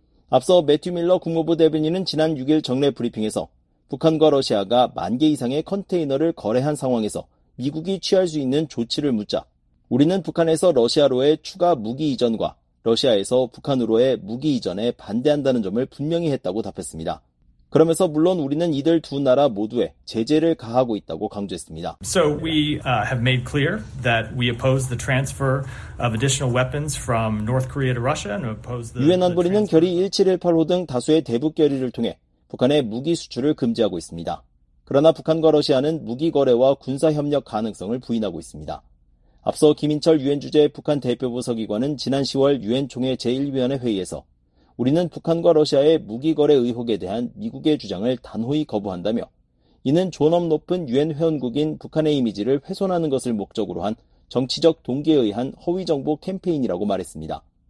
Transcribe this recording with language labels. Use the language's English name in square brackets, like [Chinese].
[Korean] 앞서 매튜 밀러 국무부 대변인은 지난 6일 정례 브리핑에서 북한과 러시아가 10,000개 이상의 컨테이너를 거래한 상황에서 미국이 취할 수 있는 조치를 묻자 우리는 북한에서 러시아로의 추가 무기 이전과 러시아에서 북한으로의 무기 이전에 반대한다는 점을 분명히 했다고 답했습니다. 그러면서 물론 우리는 이들 두 나라 모두에 제재를 가하고 있다고 강조했습니다. [English] So we have made clear that we oppose the transfer of additional weapons from North Korea to Russia and oppose the [Korean] 유엔 안보리는 결의 1718호 등 다수의 대북 결의를 통해 북한의 무기 수출을 금지하고 있습니다. 그러나 북한과 러시아는 무기 거래와 군사 협력 가능성을 부인하고 있습니다. 앞서 김인철 유엔 주재 북한 대표보서기관은 지난 10월 유엔 총회 제1위원회 회의에서 우리는 북한과 러시아의 무기 거래 의혹에 대한 미국의 주장을 단호히 거부한다며 이는 존엄 높은 유엔 회원국인 북한의 이미지를 훼손하는 것을 목적으로 한 정치적 동기에 의한 허위 정보 캠페인이라고 말했습니다.